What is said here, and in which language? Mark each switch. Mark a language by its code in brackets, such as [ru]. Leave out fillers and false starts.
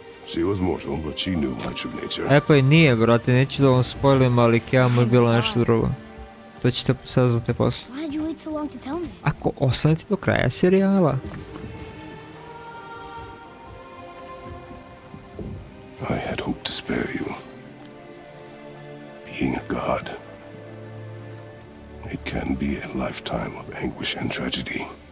[en] She was mortal, but she knew my true nature. [sr] E pa i nije, brate, neću da vam spoilim, ali Keamo je bilo nešto drugo. To ćete saznati posle. [en] Why did you wait so long to tell me? [sr] Ako ostanete do kraja serijala. [en] I had hoped to spare you. Being a god. It can be a lifetime of anguish and tragedy.